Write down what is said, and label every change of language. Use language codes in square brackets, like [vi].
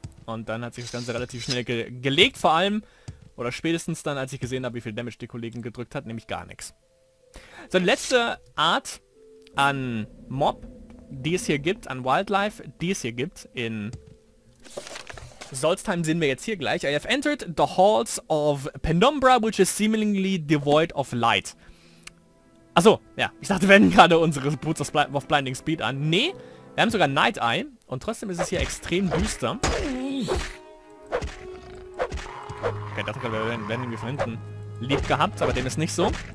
[de] Und dann hat sich das Ganze relativ schnell gelegt, vor allem, oder spätestens dann, als ich gesehen habe, wie viel Damage die Kollegen gedrückt hat, nämlich gar nichts. So, die letzte Art an Mob, die es hier gibt, an Wildlife, die es hier gibt in Solstheim, sehen wir jetzt hier gleich. [en] I have entered the halls of Penumbra, which is seemingly devoid of light. [de] Achso, ja. Ich dachte, wir wenden gerade unsere Boots auf Blinding Speed an. Nee, wir haben sogar Night Eye. Und trotzdem ist es hier extrem düster. Okay, dachte gerade, wir werden irgendwie von hinten lieb gehabt, aber dem ist nicht so.